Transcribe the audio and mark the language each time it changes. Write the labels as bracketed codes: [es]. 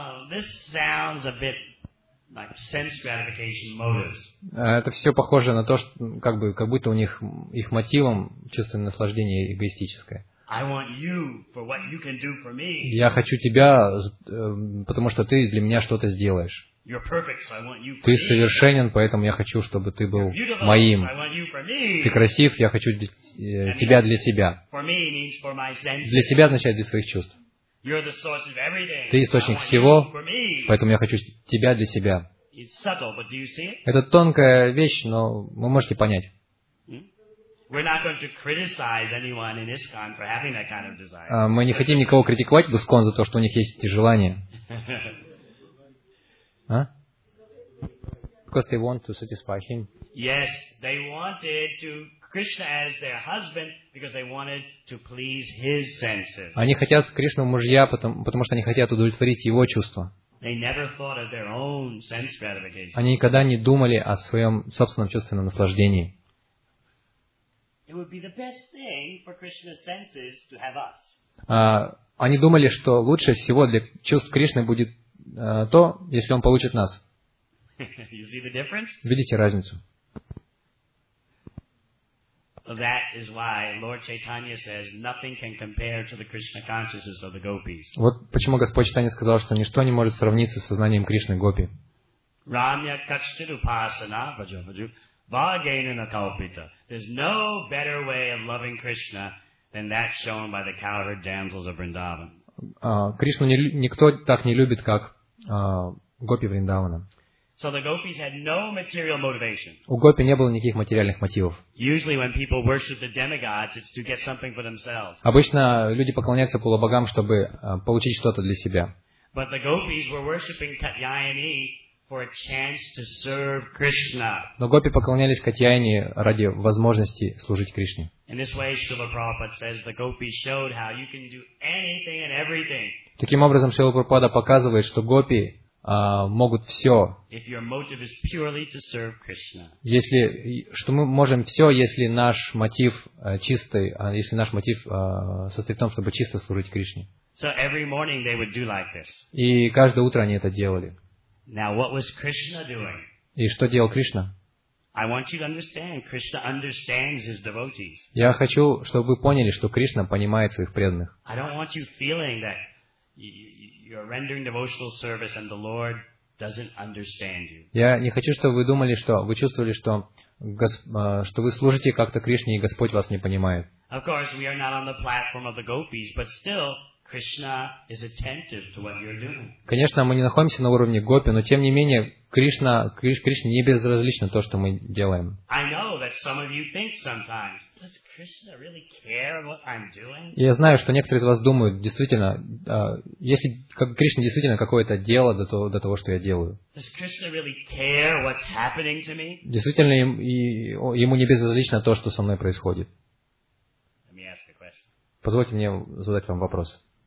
[en] This sounds a bit like sense gratification motives. [ru] Это все похоже на то, что как бы как будто у них их мотивом чувственное наслаждение эгоистическое. [en] I want you for what you can do for me. [ru] Я хочу тебя, потому что ты для меня что-то сделаешь. [en] You're perfect, so I want you for me. [ru] Ты совершенен, поэтому я хочу, чтобы ты был моим. Ты красив, я хочу тебя для себя. [en] For me means for my senses. [ru] Для себя означает для своих чувств. [en] You're the source of everything. [ru] Ты источник всего, поэтому я хочу тебя для себя. [en] It's subtle, but do you see it? [ru] Это тонкая вещь, но вы можете понять. [en] We're not going to criticize anyone in ISKCON for having that kind of desire. [ru] Мы не хотим никого критиковать в ISKCON за то, что у них есть эти желания. А? [en] Because they want to satisfy him. Yes, they wanted to Krishna as their husband because they wanted to please his senses. [ru] Они хотят Кришну мужья, потому что они хотят удовлетворить его чувства. [en] They never thought of their own sense gratification. [ru] Они никогда не думали о своем собственном чувственном наслаждении. [en] It would be the best thing for Krishna's senses to have us. [ru] Они думали, что лучше всего для чувств Кришны будет то, если он получит нас. [en] You see the difference? [ru] Видите разницу? [en] That is why Lord Chaitanya says nothing can compare to the Krishna consciousness of the gopis. [ru] Вот почему Господь Чайтанья сказал, что ничто не может сравниться с сознанием Кришны гопи. [sa] Рамья каччит упасана бхаджа бхаджу бхагена на калпита. [en] There's no better way of loving Krishna than that shown by the cowherd damsels of Vrindavan. [ru] Кришну никто так не любит, как гопи Вриндавана. [en] So the gopis had no material motivation. [ru] У гопи не было никаких материальных мотивов. [en] Usually when people worship the demigods, it's to get something for themselves. [ru] Обычно люди поклоняются полубогам, чтобы получить что-то для себя. [en] But the gopis were worshiping Katyayani for a chance to serve Krishna. [ru] Но гопи поклонялись Катьяйне ради возможности служить Кришне. [en] In this way, Śrīla Prabhupāda says the gopis showed how you can do anything and everything. [ru] Таким образом, Śrīla Prabhupāda показывает, что гопи могут все. [en] If your motive is purely to serve Krishna. [ru] Если что мы можем все, если наш мотив чистый, если наш мотив состоит в том, чтобы чисто служить Кришне. [en] So every morning they would do like this. [ru] И каждое утро они это делали. [en] Now what was Krishna doing? [ru] И что делал Кришна? [en] I want you to understand. Krishna understands his devotees. [ru] Я хочу, чтобы вы поняли, что Кришна понимает своих преданных. [en] I don't want you feeling that. You're rendering devotional service, and the Lord doesn't understand you. [ru] Я не хочу, чтобы вы думали, что вы чувствовали, что вы служите как-то Кришне, и Господь вас не понимает. [en] Of course, we are not on the platform of the gopis, but still, Krishna is attentive to what you're doing. [ru] Конечно, мы не находимся на уровне гопи, но тем не менее Кришне не безразлично то, что мы делаем. [en] I know that some of you think sometimes. Krishna really care what I'm doing? [ru] Я знаю, что некоторые из вас думают, действительно, если Кришна действительно какое-то дело до того, что я делаю. [en] Does Krishna really care what's happening to me? [ru] Действительно, ему не безразлично то, что со мной происходит. [en] Let me ask a question. [ru] Позвольте мне задать вам вопрос.